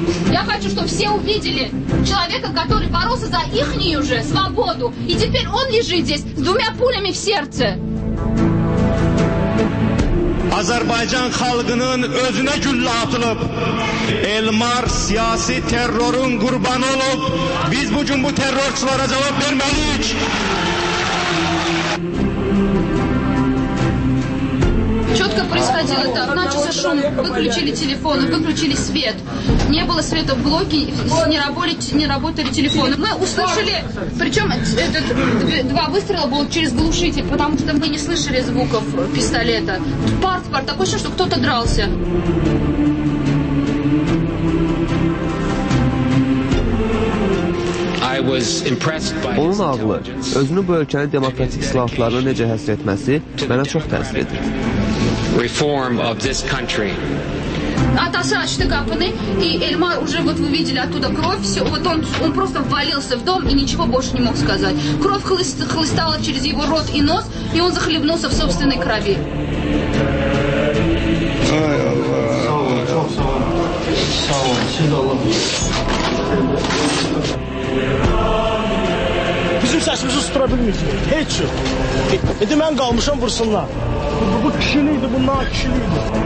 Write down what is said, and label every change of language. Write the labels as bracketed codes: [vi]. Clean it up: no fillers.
[ru] Я хочу, чтобы все увидели человека, который боролся за ихнюю же свободу. И теперь он лежит здесь с двумя пулями в сердце. [az] Azərbaycan xalqının özünə güllə atılıb. Elmar siyasi terrorun qurbanı olub. Biz bugün bu terrorçulara cavab verməliyik. [ru] Четко происходило так. Начался шум, выключили телефоны, выключили свет. Не было света в блоке, не работали телефоны. Мы услышали, причем этот, два выстрела было через глушитель, потому что мы не слышали звуков пистолета. Пар, такое ощущение, что кто-то дрался. [az] Onun ağlı, özünü bu ölkənin demokratik islahatlarına necə həsr etməsi mənə çox təsir edir. [en] Reform of this country. [ru] Atası açdı qapını и Elmar уже вот вы видели оттуда кровь, всё. Вот он просто ввалился в дом и ничего больше не мог сказать. Кровь хлыстала через его рот и нос, и он захлебнулся в собственной крови. [az] Ay Allah. Sağ ol, çox sağ ol. Bizim səsimizi susdura bilməyəcək. Heç yox. İndi mən qalmışam vursunlar. Bu kişilikdir, bu nakişilikdir.